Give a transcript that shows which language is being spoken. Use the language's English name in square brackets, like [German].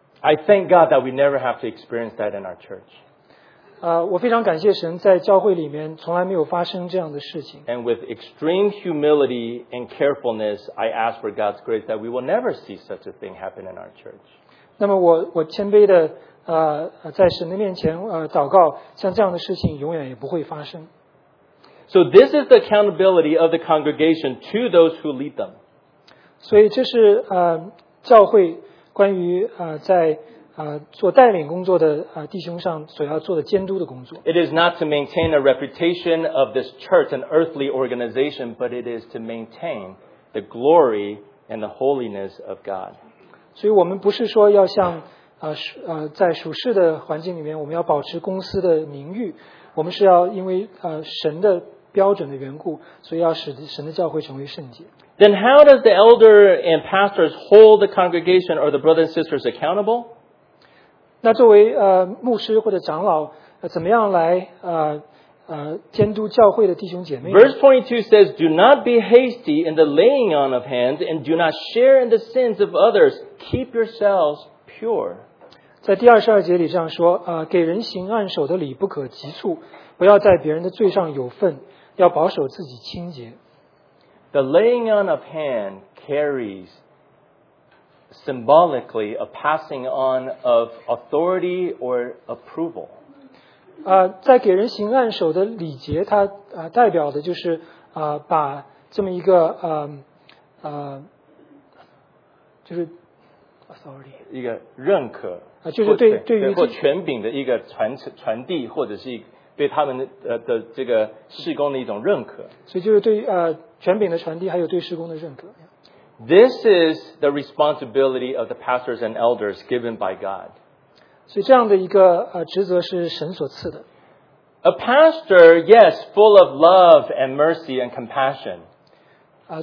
[English] I thank God that we never have to experience that in our church. [Chinese] 我非常感谢神，在教会里面从来没有发生这样的事情。 [English] And with extreme humility and carefulness, I ask for God's grace that we will never see such a thing happen in our church. [Chinese] 那么我谦卑的在神的面前祷告，像这样的事情永远也不会发生。 [English] So this is the accountability of the congregation to those who lead them. [Chinese] 所以这是教会关于在做带领工作的弟兄上所要做的监督的工作。 [English] It is not to maintain a reputation of this church, an earthly organization, but it is to maintain the glory and the holiness of God. [Chinese] 所以我们不是说要像在属世的环境里面，我们要保持公司的名誉，我们是要因为神的标准的缘故，所以要使神的教会成为圣洁。 [English] Then how does the elder and pastors hold the congregation or the brothers and sisters accountable? [Chinese] 那作为牧师或者长老怎么样来监督教会的弟兄姐妹？ [English] Verse 22 says, Do not be hasty in the laying on of hands and do not share in the sins of others. Keep yourselves pure. [Chinese] 在第二十二节里这样说给人行按手的礼不可急促，不要在别人的罪上有份，要保守自己清洁。 [English] The laying on of hand carries symbolically a passing on of authority or approval. [Chinese] 在给人行按手的礼节，它代表的就是把这么一个就是 authority 一个认可，就是对于或权柄的一个传递，或者是对他们的这个事工的一种认可。所以就是对权柄的传递还有对事工的认可。 [English] This is the responsibility of the pastors and elders given by God. [Chinese] 所以这样的一个职责是神所赐的。 [English] A pastor, yes, full of love and mercy and compassion.